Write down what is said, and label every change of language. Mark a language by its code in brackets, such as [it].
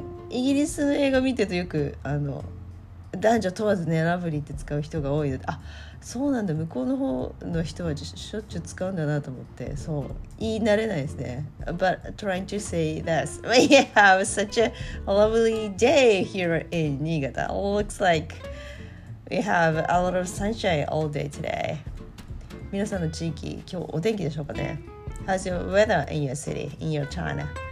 [ja] イギリスの映画見てるとよく、男女問わずね、Lovely って使う人が多いので、あ、そうなんだ、向こうの方の人はしょっちゅう使うんだなと思って、そう言い慣れないですね。 [en] But trying to say this, we have such a lovely day here in Niigata. Looks like we have a lot of sunshine all day today. [ja] 皆さんの地域、今日お天気でしょうかね。 [en] How's your weather in your city, in your China?